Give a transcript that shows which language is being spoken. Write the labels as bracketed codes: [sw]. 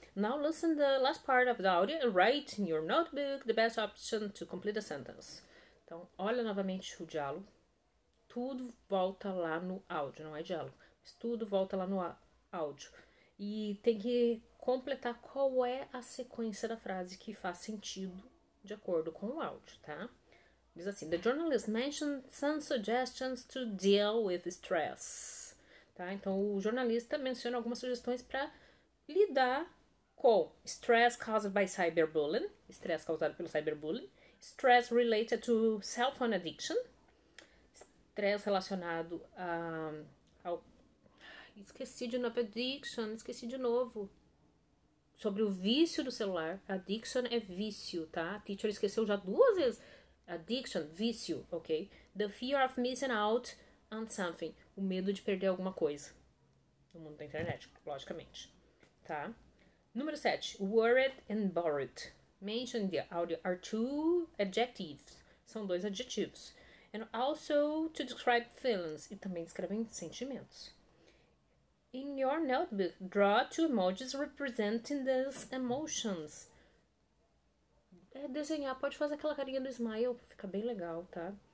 [en] Now listen to the last part of the audio and write in your notebook the best option to complete a sentence. [pt] Então, olha novamente o diálogo. Tudo volta lá no áudio, não é diálogo. Mas tudo volta lá no áudio. E tem que completar qual é a sequência da frase que faz sentido de acordo com o áudio, tá? Diz assim: [en] The journalist mentioned some suggestions to deal with stress. [pt] Tá? Então, o jornalista menciona algumas sugestões para lidar com [en] stress caused by cyberbullying, [pt] estresse causado pelo cyberbullying, [en] stress related to cell phone addiction, [pt] estresse relacionado ao. Esqueci de novo, addiction, esqueci de novo. Sobre o vício do celular. Addiction é vício, tá? A teacher esqueceu já duas vezes. [en] Addiction, vício, ok? The fear of missing out on something. [pt] O medo de perder alguma coisa. No mundo da internet, logicamente. Tá? Número 7. [en] Worried and bored. Mentioned in the audio are two adjectives. [pt] São dois adjetivos. [en] And also to describe feelings. [pt] E também descrevem sentimentos. [en] In your notebook, draw two emojis representing these emotions. [pt] É desenhar, pode fazer aquela carinha do smile, fica bem legal, tá?